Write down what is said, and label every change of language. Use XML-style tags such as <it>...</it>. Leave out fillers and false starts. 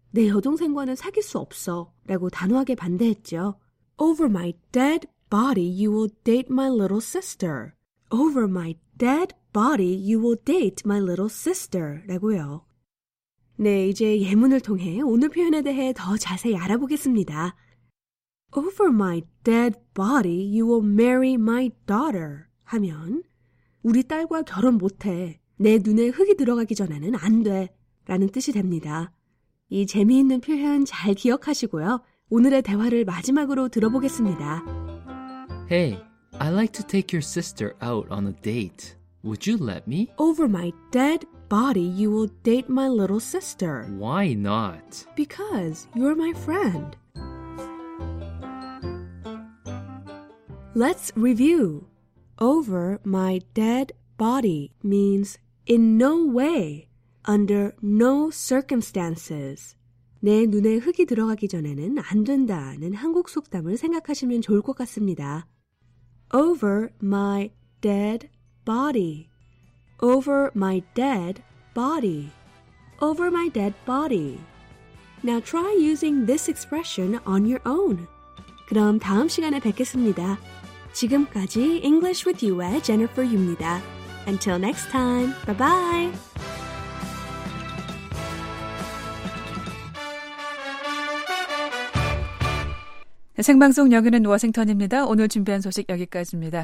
<ko>내 여동생과는 사귈 수 없어 라고 단호하게 반대했죠.</ko> <en>Over my dead body, you will date my little sister. Over my dead body, you will date my little sister.</en> <ko>라고요. 네, 이제 예문을 통해 오늘 표현에 대해 더 자세히 알아보겠습니다.</ko> <en>Over my dead body, you will marry my daughter.</en> <ko>하면 우리 딸과 결혼 못해. 내 눈에 흙이 들어가기 전에는 안 돼. 라는 뜻이 됩니다. 이 재미있는 표현 잘 기억하시고요. 오늘의 대화를 마지막으로 들어보겠습니다.</ko> <en>Hey, I'd like to take your sister out on a date. Would you let me? Over my dead body, you will date my little sister. Why not? Because you're my friend. Let's review. Over my dead body means in no way, under no circumstances.</en> <ko>내 눈에 흙이 들어가기 전에는 안 된다는 한국 속담을 생각하시면 좋을 것 같습니다.</ko> <en>Over my dead body. Over my dead body. Over my dead body. Now try using this expression on your own.</en> <ko>그럼 다음 시간에 뵙겠습니다. 지금까지 English with You의 Jennifer입니다.</ko> <en>Until next time, bye-bye! Bye.</en> <ko>생방송 여기는 워싱턴입니다. 오늘 준비한 소식 여기까지입니다.</ko>